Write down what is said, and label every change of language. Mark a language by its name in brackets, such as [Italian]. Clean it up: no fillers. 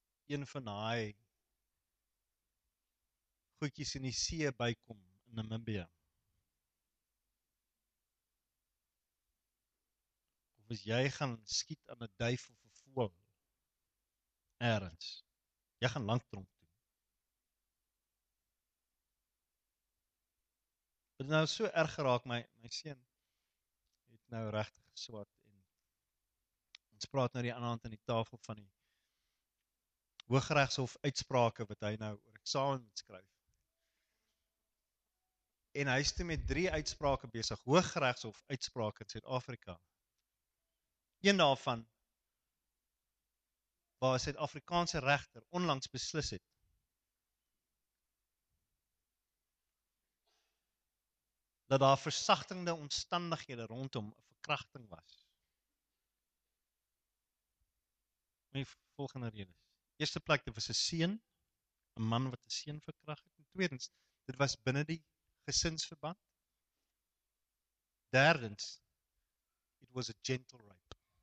[Afrikaans] een van daai goedjies in die see bykom in Namibië? Of as jy gaan skiet aan 'n duif of 'n voël ergens, jy gaan lank tronk toe. Dit nou so erg geraak, my seun het nou regtig geswat en ons praat nou die ander hand aan die tafel van die Hooggeregshof uitsprake wat hy nou oor eksamen moet skryf. En hy is toe met 3 uitsprake besig, Hooggeregshof uitsprake in Suid-Afrika. Een daarvan, waar 'n Suid-Afrikaanse regter onlangs beslis het, dat daar versagtende omstandighede rondom 'n verkrachting was. My volgende rede. Eerste plek, dit was 'n seun, 'n man wat 'n seun verkrag het. En tweedens, dit was binne die gesinsverband. Derdens, [English] it was a gentle rape.